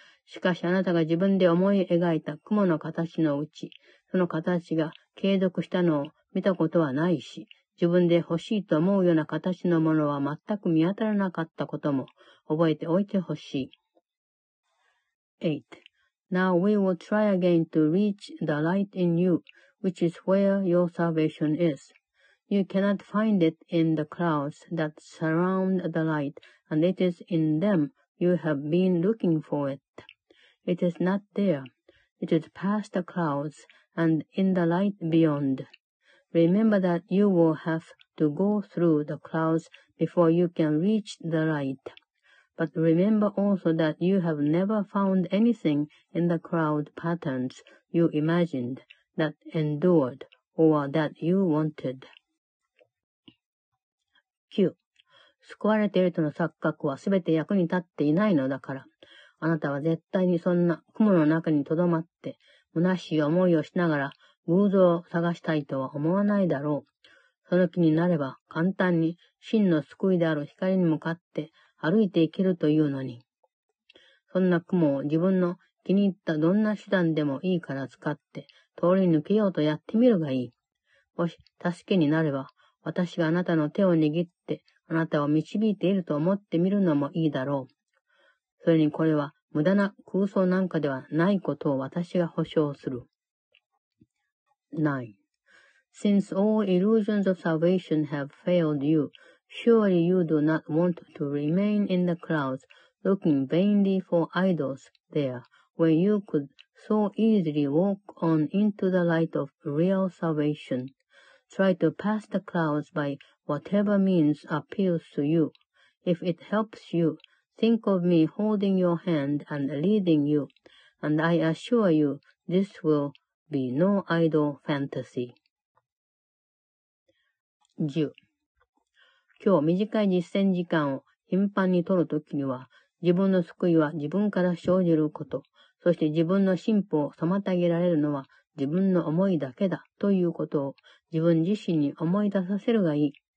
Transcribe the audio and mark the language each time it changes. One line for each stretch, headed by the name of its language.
Japanese: しかしあなたが自分で思い描いた雲の形のうち、その形が継続したのを見たことはないし、自分で欲しいと思うような形のものは全く見当たらなかったことも覚えておいてほしい。
English: 8. Now we will try again to reach the light in you, which is where your salvation is. You cannot find it in the clouds that surround the light, and it is in them you have been looking for it. It is not there. It is past the clouds and in the light beyond. Remember that you will have to go through the clouds before you can reach the light. But remember also that you have never found anything in the cloud patterns you imagined, that endured, or that you wanted. 9.
Japanese: 救われているとの錯覚はすべて役に立っていないのだから、あなたは絶対にそんな雲の中にとどまって、虚しい思いをしながら偶像を探したいとは思わないだろう。その気になれば簡単に真の救いである光に向かって歩いていけるというのに。そんな雲を自分の気に入ったどんな手段でもいいから使って通り抜けようとやってみるがいい。もし助けになれば、私があなたの手を握ってあなたを導いていると思ってみるのもいいだろう。それにこれは無駄な空想なんかではないことを私が保証する。
English: 9. Since all illusions of salvation have failed you, surely you do not want to remain in the clouds looking vainly for idols there where you could so easily walk on into the light of real salvation. Try to pass the clouds by whatever means appeals to you. If it helps you, think of me holding your hand and leading you, and I assure you this will be no idle fantasy.
Japanese: 10。今日短い実践時間を頻繁に取るときには、自分の救いは自分から生じること、そして自分の進歩を妨げられるのは自分の思いだけだということを自分自身に思い出させるがいい。